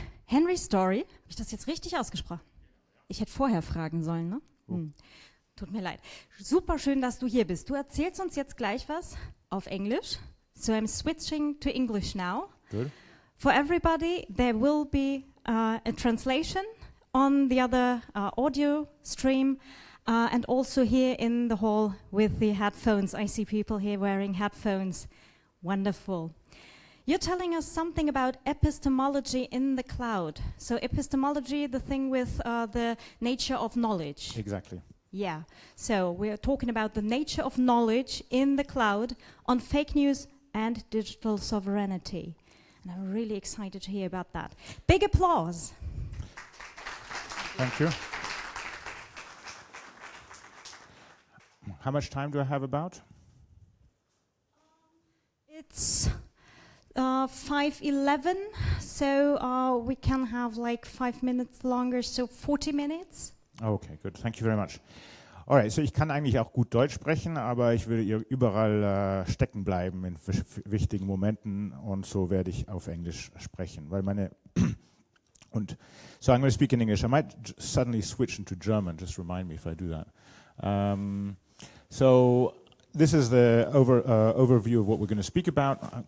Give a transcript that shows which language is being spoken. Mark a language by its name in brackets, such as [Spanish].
[German] Henry Story, habe ich das jetzt richtig ausgesprochen? Ich hätte vorher fragen sollen, ne? Tut mir leid. Super schön, dass du hier bist. Du erzählst uns jetzt gleich was auf Englisch. [English] So I'm switching to English now. Good. For everybody, there will be a translation on the other audio stream and also here in the hall with the headphones. I see people here wearing headphones. Wonderful. You're telling us something about epistemology in the cloud. So epistemology, the thing with the nature of knowledge. Exactly. Yeah. So we're talking about the nature of knowledge in the cloud on fake news and digital sovereignty. And I'm really excited to hear about that. Big applause. Thank you. How much time do I have about? It's 5:11, so we can have like 5 minutes longer, so 40 minutes. Okay, good. Thank you very much. [German] Alright, so ich kann eigentlich auch gut Deutsch sprechen, aber ich will überall stecken bleiben in wichtigen Momenten und so werde ich auf Englisch sprechen, weil meine und [English] so I'm going to speak in English. I might suddenly switch into German. Just remind me if I do that. So this is the overview of what we're going to speak about.